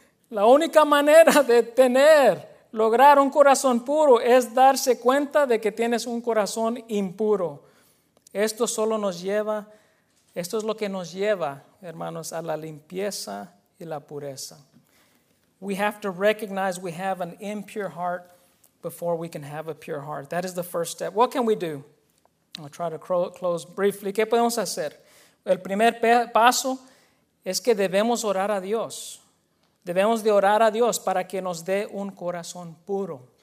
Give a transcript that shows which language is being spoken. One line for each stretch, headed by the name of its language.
Spanish: La única manera de lograr un corazón puro es darse cuenta de que tienes un corazón impuro. Esto solo nos lleva, esto es lo que nos lleva, hermanos, a la limpieza y la pureza.
English: We have to recognize we have an impure heart before we can have a pure heart. That is the first step. What can we do? I'll try to close briefly.
Spanish: ¿Qué podemos hacer? El primer paso es que debemos orar a Dios. Debemos de orar a Dios para que nos dé un corazón puro.